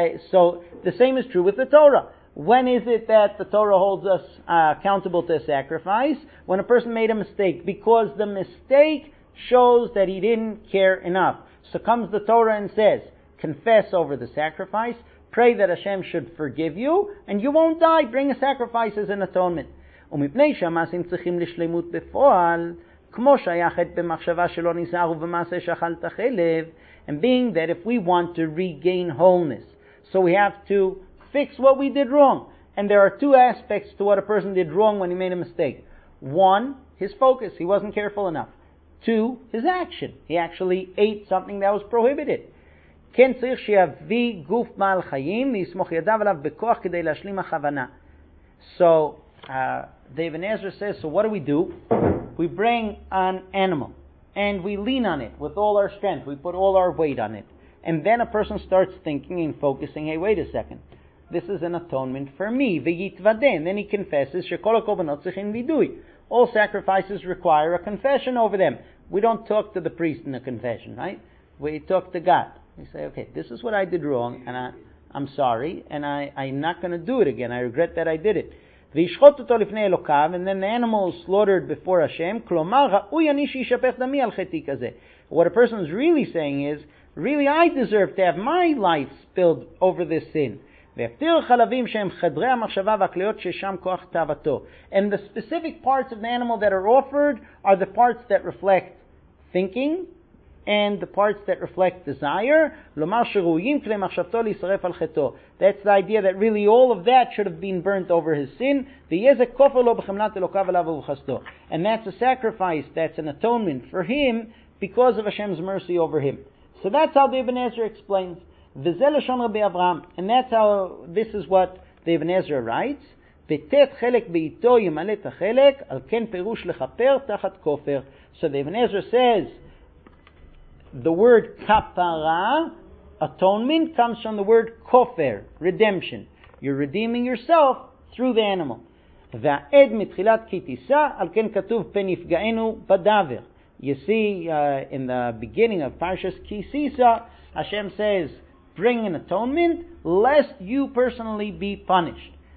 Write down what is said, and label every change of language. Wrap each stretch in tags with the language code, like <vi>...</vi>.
<en>So the same is true with the Torah. When is it that the Torah holds us accountable to a sacrifice? When a person made a mistake, because the mistake shows that he didn't care enough. So comes the Torah and says, confess over the sacrifice, pray that Hashem should forgive you, and you won't die. Bring a sacrifice as an atonement.</en> <he>ומפני שהמעשים צריכים לשלמות בפועל, כמו שייך את במחשבה שלא נזהר ובמעשה שאכלת חלב.</he> <en>And being that if we want to regain wholeness, so we have to fix what we did wrong. And there are two aspects to what a person did wrong when he made a mistake. One, his focus. He wasn't careful enough. Two, his action. He actually ate something that was prohibited.</en> <he>כן צריך שיביא גוף מעל חיים ויסמוך ידיו עליו בכוח כדי להשלים הכוונה.</he> <en>So, David Ezra says, so what do? We bring an animal and we lean on it with all our strength. We put all our weight on it. And then a person starts thinking and focusing, hey, wait a second. This is an atonement for me. Then he confesses,</en> <he>שכל הקורבנות צריכים וידוי.</he> <en>All sacrifices require a confession over them. We don't talk to the priest in the confession, right? We talk to God. We say, okay, this is what I did wrong, and I'm sorry, and I'm not going to do it again. I regret that I did it.</en> <he>וישחוט אותו לפני אלוקיו,</he> <en>and then the animal is slaughtered before Hashem.</en> <he>כלומר, ראוי אני שישפך דמי על חטי כזה.</he> <en>What a person is really saying is, really I deserve to have my life spilled over this sin.</en> <he>ויפטיר חלבים שהם חדרי המחשבה והכליות ששם כוח תאוותו.</he> <en>And the specific parts of the animal that are offered are the parts that reflect thinking and the parts that reflect desire.</en> <he>לומר שראויים כלי מחשבתו להישרף על חטאו.</he> <en>That's the idea that really all of that should have been burnt over his sin.</en> <he>ויהיה זה כופר לו בחמלת אלוקיו עליו ובחסדו.</he> <en>And that's a sacrifice, that's an atonement for him because of Hashem's mercy over him. So that's how the Ibn Ezra explains.</en> <he>וזה לשון רבי אברהם.</he> <en>And that's how, this is what the Ibn Ezra writes.</en> <he>ותת חלק בעיתו ימלא את החלק, על כן פירוש לכפר תחת כופר.</he> <en>So the Ibn Ezra says, the word kapara, atonement, comes from the word kofer, redemption. You're redeeming yourself through the animal.</en> <he>והעד מתחילת כתיסה, על כן כתוב פן יפגענו בדבר.</he> <en>You see, in the beginning of Parshas Kisisa, Hashem says, bring an atonement, lest you personally be punished.</en>